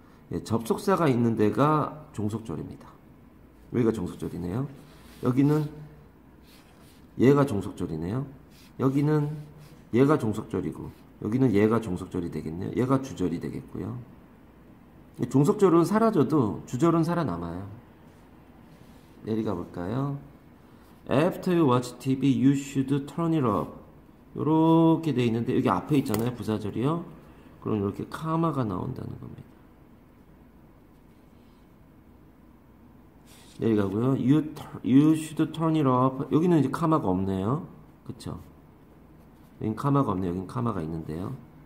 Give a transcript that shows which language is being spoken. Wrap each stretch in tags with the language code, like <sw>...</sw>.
<ko>예, 접속사가 있는 데가 종속절입니다. 여기가 종속절이네요. 여기는 얘가 종속절이네요. 여기는 얘가 종속절이고 여기는 얘가 종속절이 되겠네요. 얘가 주절이 되겠고요. 종속절은 사라져도 주절은 살아남아요. 내리가 볼까요?</ko> <en>After you watch TV, you should turn it off.</en> <ko>이렇게 돼 있는데 여기 앞에 있잖아요. 부사절이요. 그럼 이렇게 카마가 나온다는 겁니다. 내려가고요.</ko> <en>You should turn it off.</en> <ko>여기는 이제 카마가 없네요. 그쵸? 여긴 카마가 없네요. 여긴 카마가 있는데요.</ko>